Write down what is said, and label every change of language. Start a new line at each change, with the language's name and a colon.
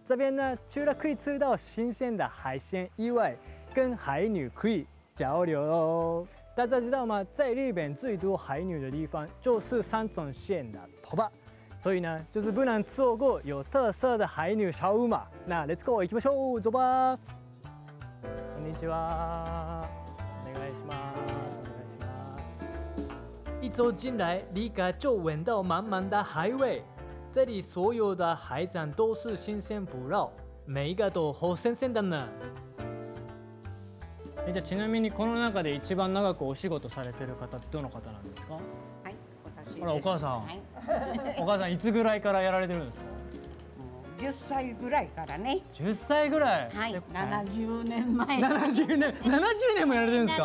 Chinese: 这边呢，除了可以吃到新鲜的海鲜以外，跟海女可以交流哦。大家知道吗？在日本最多海女的地方就是三重县的头发，所以呢，就是不能错过有特色的海女小屋嘛。那
English: Let's go，
Japanese: 行きましょう，
Chinese: 走吧。
Japanese: こんにちは。お願いします。お願いします。
Chinese: 一走进来，立刻就闻到满满的海味。这里所有的海产都是新鲜不老，每一个都活生生的呢。
Japanese: じゃあちなみにこの中で一番長くお仕事されてる方ってどの方なんですか？はい、私。ほらお母さん。お母さんいつぐらいからやられてるんですか？ 10歳ぐらいからね。 10歳ぐらい。はい。70年前。 70年、70年もやられてるんですか。